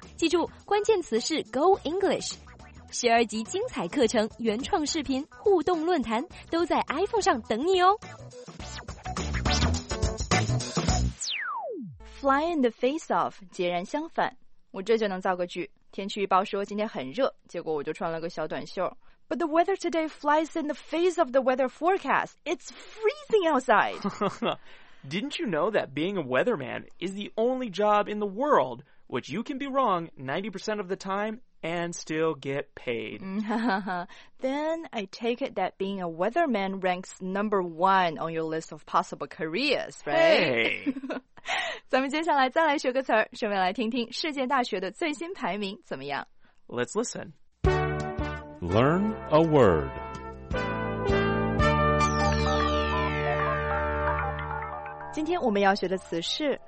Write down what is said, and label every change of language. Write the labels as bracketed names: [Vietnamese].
[Chinese] 记住，关键词是 Go English。十二级精彩课程、原创视频、互动论坛都在 iPhone 上等你哦。 [English] Fly in the face of [Chinese] 截然相反，我这就能造个句。天气预报说今天很热，结果我就穿了个小短袖。 [English] But the weather today flies in the face of the weather forecast. It's freezing outside. Didn't you know that being a weatherman is the only job in the world which you can be wrong 90% of the time and still get paid? Then I take it that being a weatherman ranks number one on your list of possible careers, right? Hey! [Chinese] 咱们接下来再来学个词儿，顺便来听听世界大学的最新排名怎么样。 [English] Let's listen. Learn a word. Today we're going to learn the word